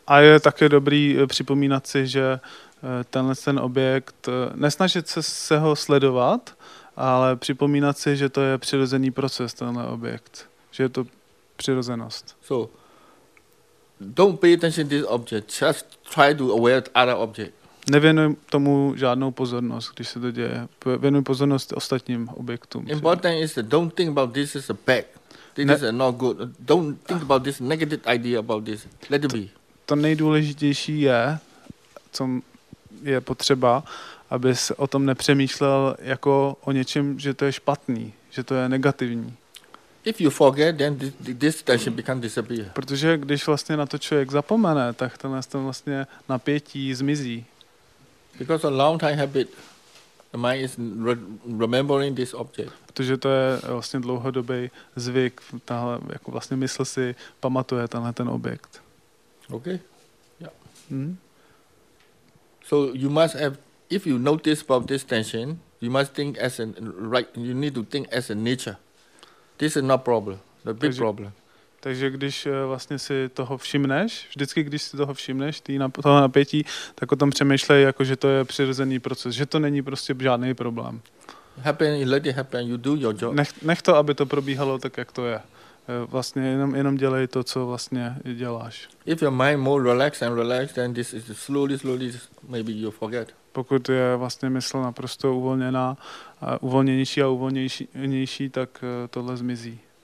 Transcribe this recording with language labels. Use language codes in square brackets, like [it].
[cs] A je také dobrý připomínat si, že tenhle ten objekt, nesnažit se ho sledovat, ale připomínat si, že to je přirozený proces, tenhle objekt. Že je to přirozenost. [en] So, don't pay attention to this object. Just try to aware other object. [cs] Nevěnuj tomu žádnou pozornost, když se to děje. Věnuj pozornost ostatním objektům. [en] Important is that don't think about this as a bad. This is not good. Don't think about this negative idea about this. Let it be. [cs] To nejdůležitější je, co je potřeba, abys o tom nepřemýšlel jako o něčem, že to je špatný, že to je negativní. [en] If you forget, then this tension become disappear. [cs] Protože když vlastně na to člověk zapomene, tak tenhle ten vlastně napětí zmizí. [en] Because a long time habit, the mind is remembering this object. [cs] Protože to je vlastně dlouhodobý zvyk, tahle jako vlastně mysl si pamatuje tenhle ten objekt. [en] Okay. Yeah. Mm-hmm. So you must have, if you notice about this tension, you must think as a right. You need to think as a nature. This is not problem. The big problem. [cs] Takže když vlastně si toho všimneš, vždycky když si toho všimneš, toho napětí, tak o tom přemýšlej, jako že to je přirozený proces, že to není prostě žádný problém. [en] Happen, let it happen, you do your job. [cs] Nech to, aby to probíhalo tak, jak to je. Vlastně jenom dělej to, co vlastně děláš. [en] If your mind more relaxed and relaxed, then this is slowly, maybe you forget. [cs] Pokud je vlastně mysl naprosto uvolněná, uvolněnější a uvolněnější, tak tohle zmizí.